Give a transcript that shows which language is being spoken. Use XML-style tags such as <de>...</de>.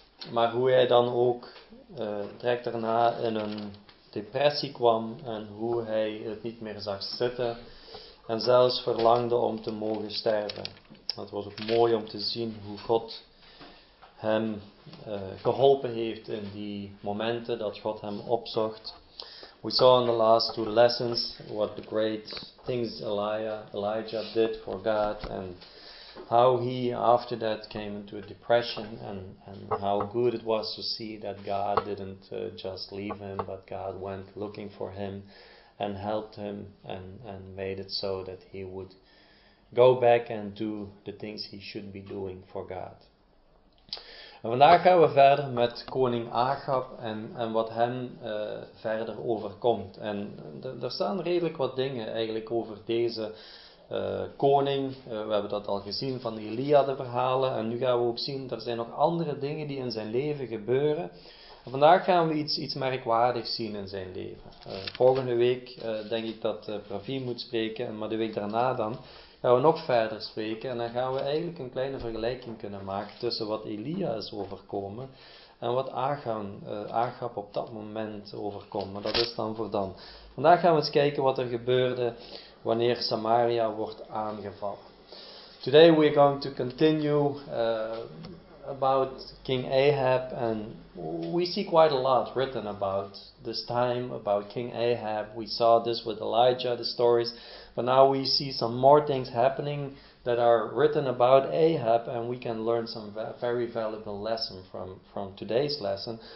<nl>Maar hoe hij dan ook direct daarna in een depressie kwam en hoe hij het niet meer zag zitten en zelfs verlangde om te mogen sterven. Het was ook mooi om te zien hoe God hem geholpen heeft in die momenten dat God hem opzocht.</nl> <en>We saw in the last two lessons what the great things Elijah did for God and how he after that came into a depression and how good it was to see that God didn't just leave him, but God went looking for him and helped him and made it so that he would go back and do the things he should be doing for God.</en> <nl>En vandaag gaan we verder met koning Achab en wat hem verder overkomt. En er staan redelijk wat dingen eigenlijk over deze koning, we hebben dat al gezien van Elia, de verhalen, en nu gaan we ook zien, er zijn nog andere dingen die in zijn leven gebeuren. En vandaag gaan we iets merkwaardigs zien in zijn leven. Volgende week denk ik dat Pravin moet spreken, maar de week daarna dan gaan we nog verder spreken en dan gaan we eigenlijk een kleine vergelijking kunnen maken tussen wat Elia is overkomen en wat Achab op dat moment overkomt. Maar dat is dan voor dan. Vandaag gaan we eens kijken wat er gebeurde wanneer Samaria wordt aangevallen.</nl> <en>Today we are going to continue about King Ahab, and we see quite a lot written about this time, about King Ahab. We saw this with Elijah, the stories, but now we see some more things happening that are written about Ahab, and we can learn some very valuable lesson from today's lesson.</en>